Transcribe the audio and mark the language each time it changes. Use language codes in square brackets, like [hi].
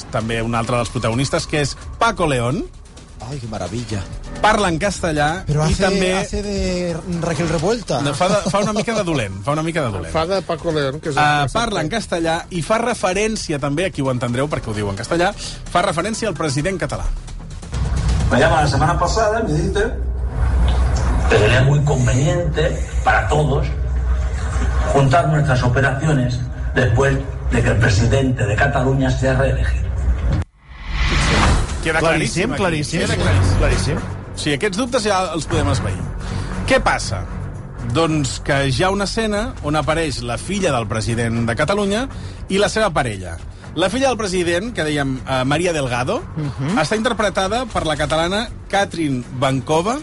[ca] també un altre dels protagonistes, que és Paco León. [es] Ai, que maravilla. [ca] Parla en castellà també... Però hace de Raquel Revuelta. No, fa una mica de dolent, Fa de Paco León, que és... Parla en castellà i fa referència també, aquí ho entendreu perquè ho diu en castellà, fa referència al president català. [es] Me llama la semana pasada, me dice que sería muy conveniente para todos juntar nuestras operaciones después de que el presidente de Cataluña sea reelegido. [ca] Queda claríssim, claríssim. Sí, aquests dubtes ja els podem esvair. Què passa? Doncs que hi ha una escena on apareix la filla del president de Catalunya i la seva parella. La filla del president, que dèiem Maria Delgado, està interpretada per la catalana Katrin Vancova.